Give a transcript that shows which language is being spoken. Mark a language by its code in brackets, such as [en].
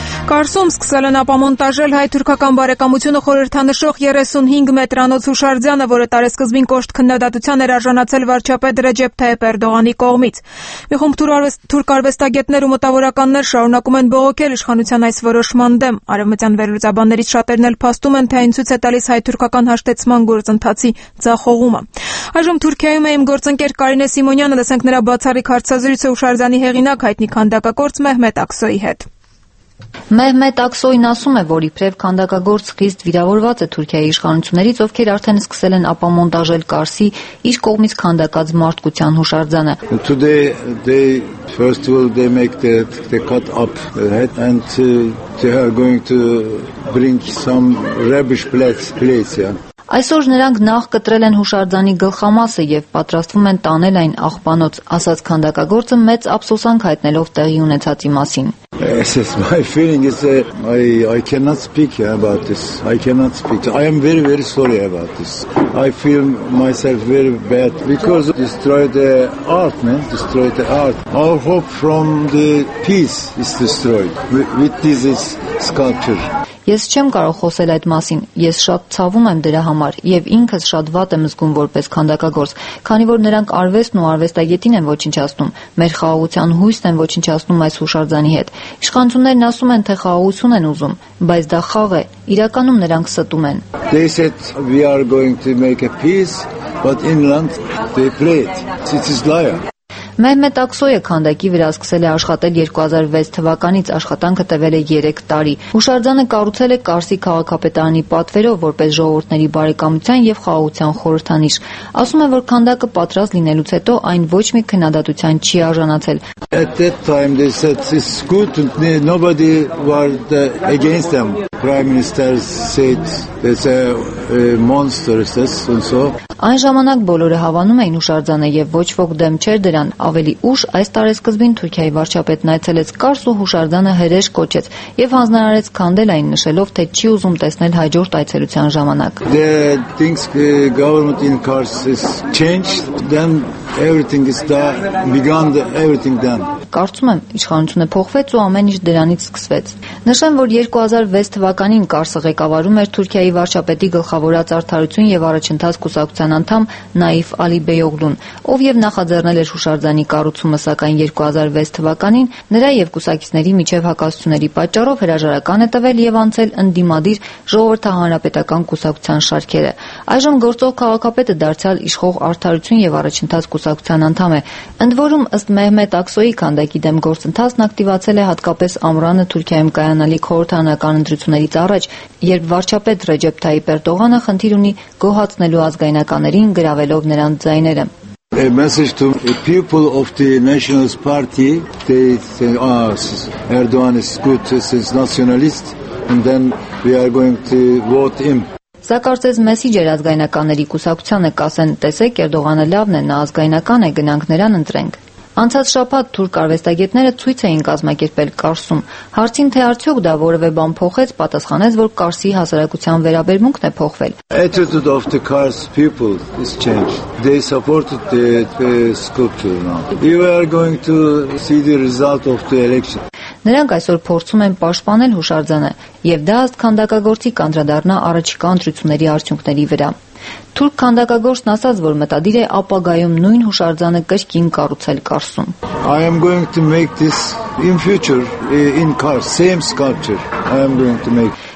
[hy] Կարսում սկսել են ապամոնտաժել հայ-թուրքական բարեկամությունը խորհրդանշող 35 մետրանոց հուշարձանը, որը տարեսկզբին կոշտ քննադատության էր արժանացել վարչապետ Ռեջեփ Թայյիփ Էրդողանի կողմից։ Մի խումբ թուրք արվեստագետներ ու մտավորականներ շարունակում են բողոքել իշխանության այս որոշման դեմ։ Արևմտյան վերլուծաբաններից շատերն էլ փաստում են, թե այն ցույց է տալիս հայ-թուրքական հաշտեցման գործընթացի ձախողումը։ Այժմ Թուրքիայում է իմ գործընկեր Կարինե Սիմոնյանը, լսենք նրա բացառիկ հարցազրույցը հուշարձանի հեղինակ հայտնի քանդակագործ Մեհմետ Աքսոյի հետ։ Մեհմետ Աքսոյն ասում է, որ իբրև քանդակագործ խիստ վիրավորված է Թուրքիայի իշխանություններից, ովքեր արդեն սկսել են ապամոնտաժել Կարսի իր կողմից քանդակած մարդկության հուշարձանը։ [en] Today, first of all, they make the cut up and they are going to bring some rubbish plates, yeah. [hy] Այսօր նրանք նախ կտրել են հուշարձանի գլխամասը եւ պատրաստվում են տանել այն աղբանոց, ասաց քանդակագործը մեծ ափսոսանք հայտնելով տեղի ունեցածի մասին։ [en] This is my feeling is I cannot speak about this. I cannot speak. I am very very sorry about this. I feel myself very bad because destroyed the art, man. Destroyed the art. Our hope from the peace is destroyed with this sculpture. [hy] Ես չեմ կարող խոսել այդ մասին, ես շատ ցավում եմ դրա համար և ինքս շատ վատ եմ զգում որպես քանդակագործ, քանի որ նրանք արվեստն ու արվեստագետին են ոչնչացնում, մեր խաղաղության հույսն են ոչնչացնում այս հուշարձանի հետ։ Իշխանություններն ասում են, թե խաղաղություն են ուզում, բայց դա խաղ է, իրականում նրանք ստում են։ [en] They said we are going to make a peace, but inland they played. It is liar. [hy] Մեհմեթ Աքսոյը քանդակի վրա սկսել է աշխատել 2006 թվականից, աշխատանքը տևել է 3 տարի։ Հուշարձանը կառուցել է Կարսի քաղաքապետարանի պատվերով որպես ժողովրդների բարեկամության և խաղաղության խորհրդանիշ։ Ասում են, որ քանդակը պատրաստ լինելուց հետո այն ոչ մի քննադատության չի արժանացել։ [en] At that time they said it's good and nobody was against them. Prime Minister said it's a monster, and so. [hy] Այն ժամանակ բոլորը հավանում էին հուշարձանը և ոչ ոք դեմ չէր դրան։ Ավելի ուշ այս տարի սկզբին Թուրքիայի վարչապետն այցելեց Կարս ու հուշարձանը հրեշ կոչեց և հանձնարարեց քանդել այն նշելով, թե չի ուզում տեսնել հաջորդ այցելության ժամանակ։ [en] The things government in Kars is changed, then everything is done, began the everything done. [hy] Կարծում եմ, իշխանությունը փոխվեց ու ամեն ինչ դրանից սկսվեց։ Նշեմ, որ 2006 թվականին Կարսը ղեկավարում էր Թուրքիայի վարչապետի գլխավորած արդարություն և առաջընթաց կուսակցության անդամ Նաիֆ Ալի Բեյոգլուն, ով և նախաձեռնել էր հուշարձանի կառուցումը, սակայն 2006 թվականին նրա և կուսակիցների միջև հակասությունների պատճառով հրաժարական է տվել և անցել ընդդիմադիր ժողովրդահանրապետական կուսակցության շարքերը։ Այժմ գործող քաղաքապետը դարձյալ իշխող արդարություն և առաջընթաց կուսակցության անդամ է։ Ընդ որում, ըստ Մեհմեթ Աքսոյի, քանդակի դեմ գործընթացն ակտիվացել է հատկապես ամռանը Թուրքիայում կայանալի խորհրդանական ընտրություններից առաջ, երբ վարչապետ Ռեջեփ Թայիփ Էրդողանը խնդիր ունի գոհացնելու ազգայնականերին, գրավելով նրանց ձայները։ [en] A message to the people of the Nationalist Party, they say, Erdogan is good, this is nationalist, and then we are going to vote him. [hy] Սա կարծես մեսիջեր ազգայնականների կուսակցությանը, կասեն, տեսեք, Էրդողանը լավն է, նա ազգայնական է, գնանք նրան ընտրենք։ Անցած շաբաթ թուրք արվեստագետները ցույց էին կազմակերպել Կարսում։ Հարցին, թե արդյոք դա որևէ բան փոխեց, պատասխանեց, որ Կարսի հասարակության վերաբերմունքն է փոխվել։ [en] Attitude of the Kars people is changed. They supported the sculpture now. You are going to see the result of the election. [hy] Նրանք այսօր փորձում են պաշտպանել հուշարձանը, եւ դա ըստ քանդակագործի կանդրադառնա առաջիկա ընտրությունների արդյունքների վրա։ Թուրք քանդակագործն ասաց, որ մտադիր է ապագայում նույն հուշարձանը կրկին կառուցել Կարսում։ [en] I am going to make this in future in Kars, same sculpture. I am going to make.